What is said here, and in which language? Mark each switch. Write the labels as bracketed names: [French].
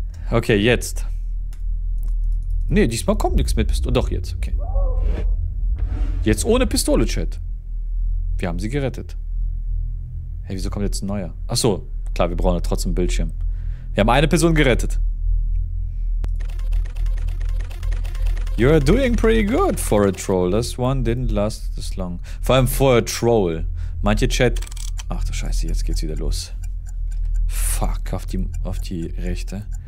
[German] Okay, jetzt. Nee, diesmal kommt nichts mit Pistole. Doch, jetzt. Okay. Jetzt ohne Pistole, Chat. Wir haben sie gerettet. Hey, wieso kommt jetzt ein neuer? Achso, klar, wir brauchen ja trotzdem einen Bildschirm. Wir haben eine Person gerettet. [English] You're doing pretty good for a troll. This one didn't last this long. [German] Vor allem [English] for a troll. [German] Manche Chat... Ach du Scheiße, jetzt geht's wieder los. Fuck, auf die Rechte.